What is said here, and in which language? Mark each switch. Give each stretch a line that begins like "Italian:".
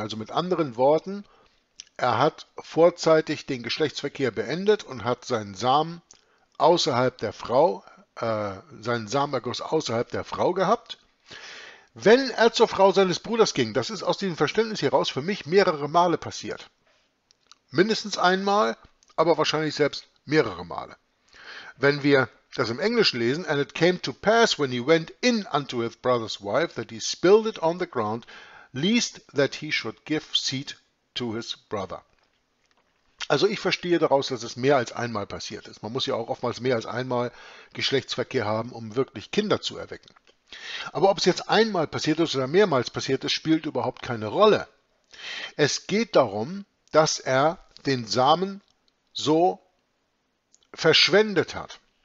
German: Also mit anderen Worten, er hat vorzeitig den Geschlechtsverkehr beendet und hat seinen Samen außerhalb der Frau, seinen Samenerguss außerhalb der Frau gehabt. Wenn er zur Frau seines Bruders ging, das ist aus diesem Verständnis heraus für mich mehrere Male passiert. Mindestens einmal, aber wahrscheinlich selbst mehrere Male. Wenn wir das im Englischen lesen,
English: and it came to pass when he went in unto his brother's wife, that he spilled it on the ground, lest that he should give seed to his brother.
German: Also ich verstehe daraus, dass es mehr als einmal passiert ist. Man muss ja auch oftmals mehr als einmal Geschlechtsverkehr haben, um wirklich Kinder zu erwecken. Aber ob es jetzt einmal passiert ist oder mehrmals passiert ist, spielt überhaupt keine Rolle. Es geht darum, dass er den Samen so verschwendet hat.